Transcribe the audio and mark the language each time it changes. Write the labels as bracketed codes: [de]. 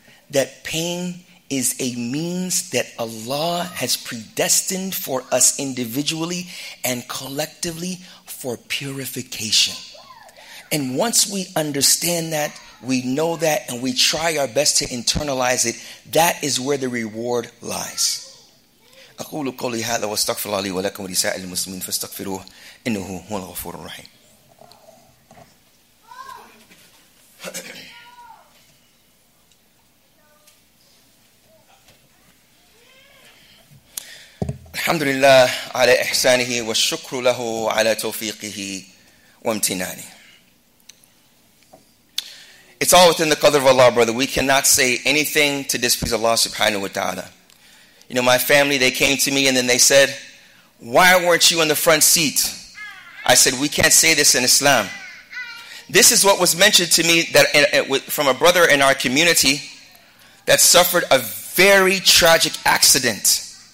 [en] That pain is a means that Allah has predestined for us individually and collectively for purification. And once we understand that, we know that, and we try our best to internalize it, that is where the reward lies. [ar] أقول قولي هذا واستغفر الله لي ولكم ولسائر المسلمين فاستغفروه إنه هو الغفور الرحيم. الحمد لله على إحسانه والشكر له على توفيقه وامتنانه. [en] It's all within the qadr of Allah, brother. We cannot say anything to displease Allah subhanahu wa ta'ala. You know, my family, they came to me and then they said, why weren't you in the front seat? I said, we can't say this in Islam. This is what was mentioned to me that from a brother in our community that suffered a very tragic accident.